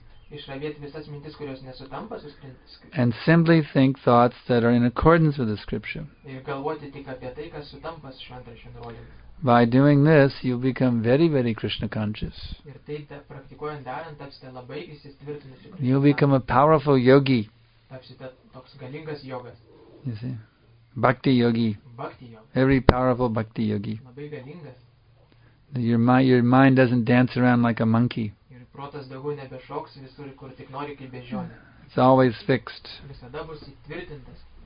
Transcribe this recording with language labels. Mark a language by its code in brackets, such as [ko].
[lt] išravėti visas mintis, kurios nesutampa su Skriptūra. [en] And simply think thoughts that are in accordance with the Scripture. [lt] Ir galvoti tik apie tai, kas sutampa su šventraščio nurodymu. [en] By doing this, you become very, very Krishna conscious. [lt] Ir taip praktikuojant darant, tapsite labai įsitvirtinusiu. [en] You become a powerful yogi. [lt] Tapsite toks galingas jogas. [en] You see? Bhakti yogi. Bhakti yogi. Very powerful bhakti yogi. [lt] Labai galingas. [en] Your mind doesn't dance around like a monkey. [lt] Ir protas daugiau nebešoks visur, kur tik nori, kaip beždžionė. [en] It's always fixed. [lt] Visada bus įtvirtintas.